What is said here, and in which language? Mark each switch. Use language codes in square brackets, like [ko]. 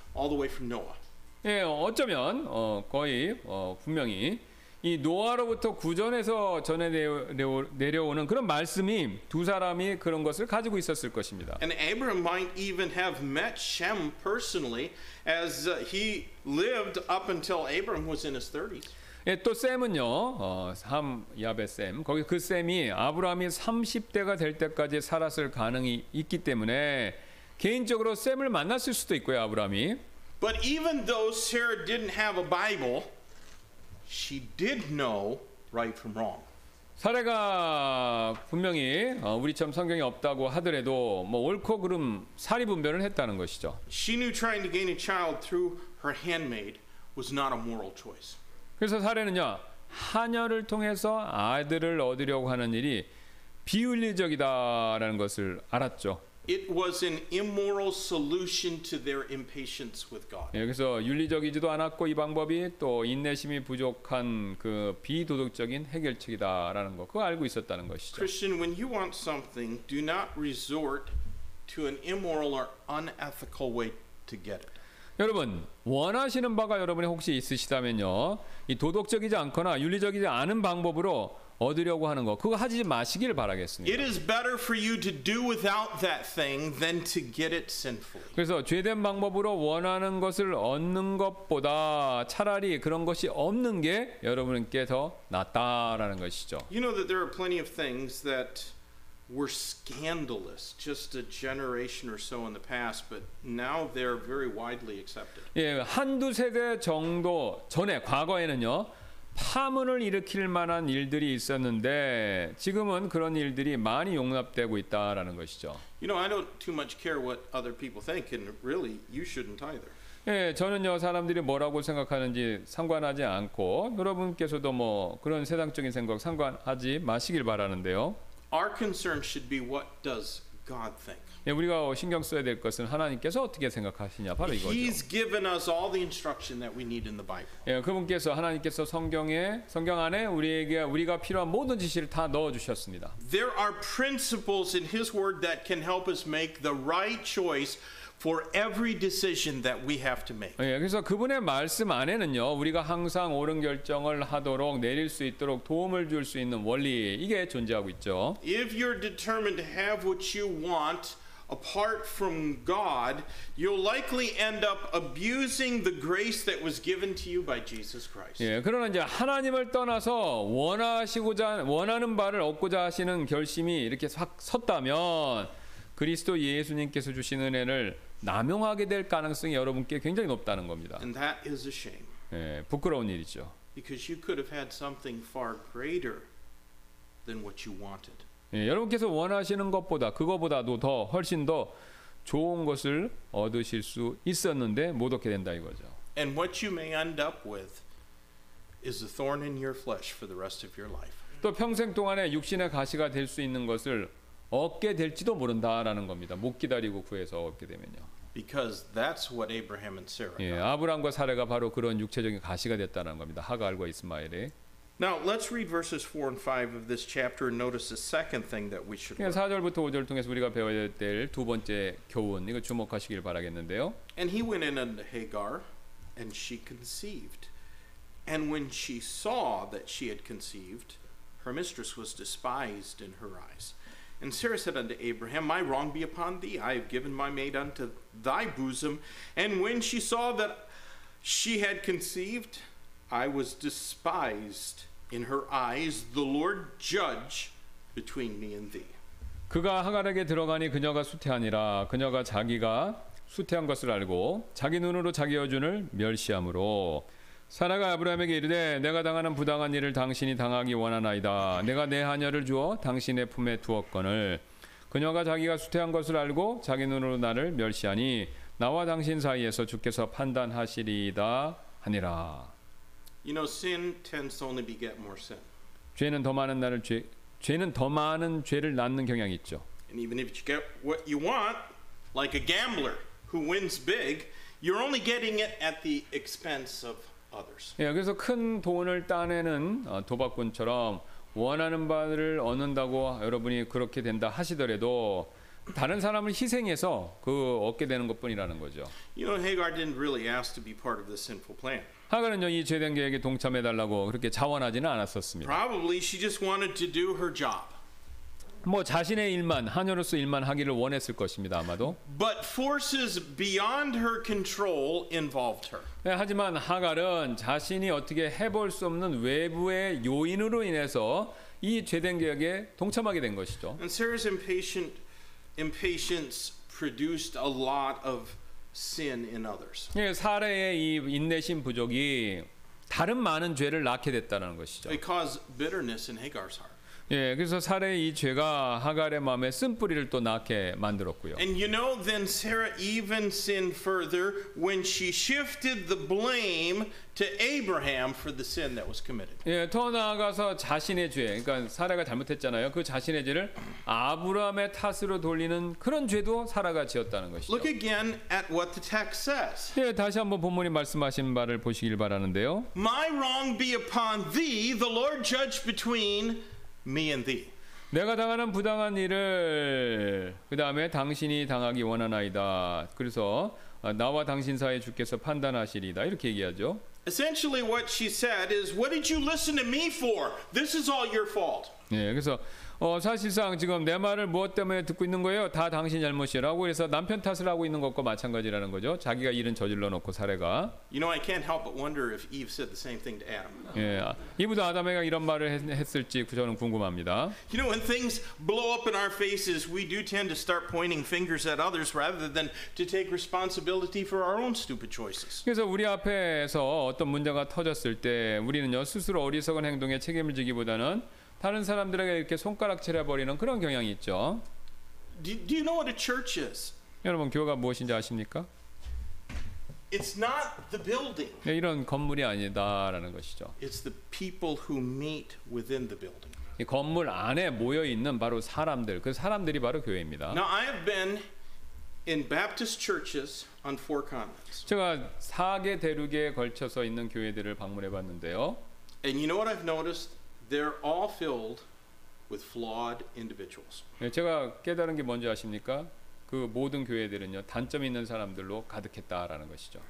[en] All the way from Noah. [ko] 예, 어쩌면 거의 분명히 이 노아로부터 구전해서 전해 내려오는 그런 말씀이 두 사람이 그런 것을 가지고 있었을 것입니다. [en] And Abraham might even have met Shem personally as he lived up until Abraham was in his 30s. [ko] 예, 또 샘은요, 삼 야베 샘 거기 그 샘이 아브라함이 30대가 될 때까지 살았을 가능이 있기 때문에. 개인적으로 샘을 만났을 수도 있고요, 아브라함이. [en] But even though Sarah didn't have a Bible, she did know right from wrong. [ko] 사례가 분명히 우리처럼 성경이 없다고 하더라도 뭐 옳고 그름 사리 분별을 했다는 것이죠. [en] She knew trying to gain a child through her handmaid was not a moral choice. [ko] 그래서 사례는요, 하녀를 통해서 아들을 얻으려고 하는 일이 비윤리적이다라는 것을 알았죠. [en] It was an immoral solution to their impatience with God. [ko] 여기서 윤리적이지도 않았고 이 방법이 또 인내심이 부족한 그 비도덕적인 해결책이다라는 거 그거 알고 있었다는 것이죠. [en] Christian, when you want something, do not resort to an immoral or unethical way to get it. [ko] 여러분 원하시는 바가 여러분이 혹시 있으시다면요, 이 도덕적이지 않거나 윤리적이지 않은 방법으로 얻으려고 하는 거 그거 하지 마시기를 바라겠습니다. [en] It is better for you to do without that thing than to get it sinfully. [ko] 그래서 죄된 방법으로 원하는 것을 얻는 것보다 차라리 그런 것이 없는 게 여러분께 더 낫다라는 것이죠. [en] You know that there are plenty of things that were scandalous just a generation or so in the past, but now they're very widely accepted. [ko] 예, 한두 세대 정도 전에 과거에는요. 파문을 일으킬 만한 일들이 있었는데 지금은 그런 일들이 많이 용납되고 있다라는 것이죠. [en] You know, I don't too much care what other people think, and really, you shouldn't either. [ko] 예, 저는요 사람들이 뭐라고 생각하는지 상관하지 않고 여러분께서도 뭐 그런 세상적인 생각 상관하지 마시길 바라는데요. [en] Our concern should be what does God think. [ko] 예, 우리가 신경 써야 될 것은 하나님께서 어떻게 생각하시냐 바로 이거죠. [en] He's given us all the instruction that we need in the Bible. [ko] 예, 그분께서 하나님께서 성경에 성경 안에 우리에게 우리가 필요한 모든 지시를 다 넣어 주셨습니다. [en] There are principles in His Word that can help us make the right choice for every decision that we have to make. [ko] 예, 그래서 그분의 말씀 안에는요 우리가 항상 옳은 결정을 하도록 내릴 수 있도록 도움을 줄 수 있는 원리 이게 존재하고 있죠. [en] If you're determined to have what you want apart from God, you'll likely end up abusing the grace that was given to you by Jesus Christ. [ko] 예, 그러나 이제 하나님을 떠나서 원하시고자 원하는 바를 얻고자 하시는 결심이 이렇게 확 섰다면 그리스도 예수님께서 주신 은혜를 남용하게 될 가능성이 여러분께 굉장히 높다는 겁니다. [en] And that is a shame. [ko] 예, 부끄러운 일이죠. [en] Because you could have had something far greater than what you wanted. [ko] 예, 여러분께서 원하시는 것보다 그거보다도 더 훨씬 더 좋은 것을 얻으실 수 있었는데 못 얻게 된다 이거죠. [en] And what you may end up with is a thorn in your flesh for the rest of your life. [ko] 또 평생 동안에 육신의 가시가 될 수 있는 것을 얻게 될지도 모른다라는 겁니다. 못 기다리고 구해서 얻게 되면요. [en] Because that's what Abraham and Sarah. [ko] 예, 아브라함과 사라가 바로 그런 육체적인 가시가 됐다는 겁니다. 하갈과 이스마엘이. [en] Now let's read verses 4 and 5 of this chapter and notice the second thing that we should learn. [ko] 4절부터 5절 통해서 우리가 배워야 될 두 번째 교훈 이거 주목하시길 바라겠는데요. [en] And he went in unto Hagar, and she conceived. And when she saw that she had conceived, her mistress was despised in her eyes. And Sarah said unto Abraham, My wrong be upon thee. I have given my maid unto thy bosom. And when she saw that she had conceived, I was despised in her eyes. The Lord judge between me and thee. [ko] 그가 하갈에게 들어가니 그녀가 수태하니라. 그녀가 자기가 수태한 것을 알고 자기 눈으로 자기 여준을 멸시함으로 사라가 아브라함에게 이르되 내가 당하는 부당한 일을 당신이 당하기 원하나이다. 내가 내 하녀를 주어 당신의 품에 두었거늘 그녀가 자기가 수태한 것을 알고 자기 눈으로 나를 멸시하니 나와 당신 사이에서 주께서 판단하시리이다 하니라. [en] You know, sin tends to only beget more sin. [ko] 죄는 더 많은 나를 죄 죄는 더 많은 죄를 낳는 경향이 있죠. [en] And even if you get what you want, like a gambler who wins big, you're only getting it at the expense of others. [ko] 예, 그래서 큰 돈을 따내는 도박꾼처럼 원하는 바를 얻는다고 여러분이 그렇게 된다 하시더라도 다른 사람을 희생해서 그 얻게 되는 것뿐이라는 거죠. [en] You know, Hagar didn't really ask to be part of this sinful plan. [ko] 하갈은요 이 죄된 계획에 동참해 달라고 그렇게 자원하지는 않았었습니다. [en] Probably she just wanted to do her job. [ko] 뭐 자신의 일만 하녀로서 일만 하기를 원했을 것입니다 아마도. [en] But forces beyond her control involved her. [ko] 네, 하지만 하갈은 자신이 어떻게 해볼 수 없는 외부의 요인으로 인해서 이 죄된 계획에 동참하게 된 것이죠. [en] And Sarah's impatience produced a lot of sin in others. [ko] 네, 사라의 이 인내심 부족이 다른 많은 죄를 낳게 됐다는 것이죠. [en] It caused bitterness in Hagar's heart. [ko] 예, 그래서 사라의 이 죄가 하갈의 마음에 쓴뿌리를 또 낳게 만들었고요. [en] And you know, then Sarah even sinned further when she shifted the blame to Abraham for the sin that was committed. [ko] 예, 더 나아가서 자신의 죄, 그러니까 사라가 잘못했잖아요. 그 자신의 죄를 아브라함의 탓으로 돌리는 그런 죄도 사라가 지었다는 것이죠. [en] Look again at what the text says. [ko] 예, 다시 한번 본문이 말씀하신 말을 보시길 바라는데요. [en] My wrong be upon thee, the Lord judge between. Me and thee. [ko] 내가 당하는 부당한 일을 그 다음에 당신이 당하기 원하나이다. 그래서 나와 당신 사이 주께서 판단하시리다. 이렇게 얘기하죠. [en] Essentially, what she said is, "What did you listen to me for? This is all your fault." [ko] 예, 그래서 사실상 지금 내 말을 무엇 때문에 듣고 있는 거예요? 다 당신 잘못이라고 해서 남편 탓을 하고 있는 것과 마찬가지라는 거죠. 자기가 일은 저질러 놓고 사례가. [en] You know, I can't help but wonder if Eve said the same thing to Adam. [ko] 예, 이브도 아담에게 이런 말을 했을지 저는 궁금합니다. [en] You know, when things blow up in our faces, we do tend to start pointing fingers at others rather than to take responsibility for our own stupid choices. [ko] 그래서 우리 앞에서 어떤 문제가 터졌을 때 우리는요 스스로 어리석은 행동에 책임을 지기보다는 다른 사람들에게 이렇게 손가락질해 버리는 그런 경향이 있죠. [en] Do you know what a church is? [ko] 여러분 교회가 무엇인지 아십니까? [en] It's not the building. [ko] 네, 이런 건물이 아니다라는 것이죠. [en] It's the people who meet within the building. [ko] 이 건물 안에 모여 있는 바로 사람들, 그 사람들이 바로 교회입니다. [en] Now I have been in Baptist churches on four continents. [ko] 제가 4개 대륙에 걸쳐서 있는 교회들을 방문해 봤는데요. [en] And you know what I've noticed? They're all filled with flawed individuals. [ko] 예, 제가 깨달은 게 뭔지 아십니까? 그 모든 교회들은요 단점 있는 사람들로 가득했다라는 것이죠.